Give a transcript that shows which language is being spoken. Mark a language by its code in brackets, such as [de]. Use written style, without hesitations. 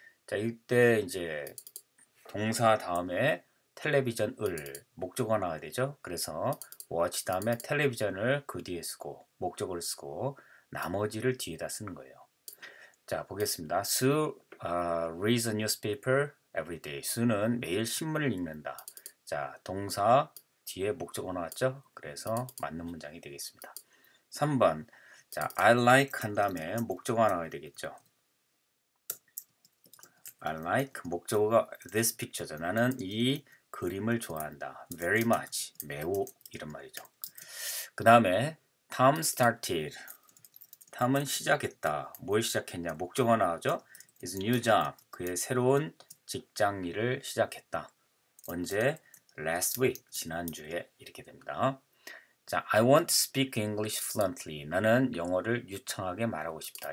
[ko] 자, 이때 이제 동사 다음에 텔레비전을 목적어 나와야 되죠. 그래서 watch 다음에 텔레비전을 그 뒤에 쓰고 목적어를 쓰고 나머지를 뒤에다 쓰는 거예요. 자, 보겠습니다. [en] Sue reads a newspaper every day. [ko] Sue는 매일 신문을 읽는다. 자, 동사 뒤에 목적어 나왔죠. 그래서 맞는 문장이 되겠습니다. 3번 자, I like 한 다음에 목적어가 나와야 되겠죠. [en] I like [ko] 목적어가 this picture죠. 나는 이 그림을 좋아한다. [en] Very much [ko] 매우 이런 말이죠. [en] 그 다음에 Tom started. [ko] Tom은 시작했다. 뭘 시작했냐? 목적어가 나오죠. [en] His new job. [ko] 그의 새로운 직장 일을 시작했다. [en] 언제? Last week. [ko] 지난주에 이렇게 됩니다. [en] 자, I want to speak English fluently. [ko] 나는 영어를 유창하게 말하고 싶다.